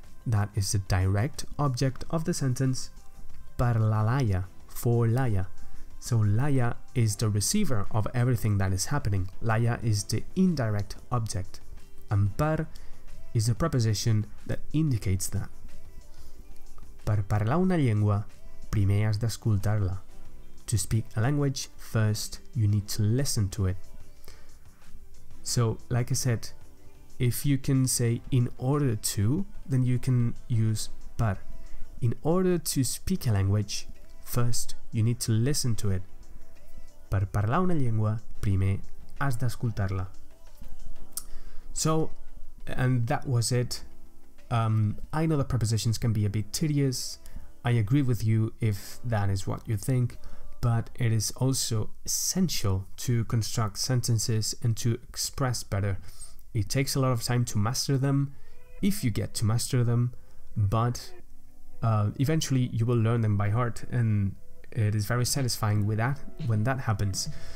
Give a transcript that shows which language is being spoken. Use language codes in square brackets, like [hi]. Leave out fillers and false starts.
[en] that is the direct object of the sentence. [ca] Per la Laia, [en] for Laia. So Laia is the receiver of everything that is happening. Laia is the indirect object. And per is a preposition that indicates that. [ca] Per parlar una llengua, primer has d'escoltar-la. [en] To speak a language, first you need to listen to it. So, like I said, if you can say in order to, then you can use per. In order to speak a language, first, you need to listen to it. [ca] Per parlar una llengua, primer has d'escoltar-la. [en] So, and that was it. I know the prepositions can be a bit tedious. I agree with you if that is what you think, but it is also essential to construct sentences and to express better. It takes a lot of time to master them, if you get to master them, but eventually you will learn them by heart, and it is very satisfying with that when that happens.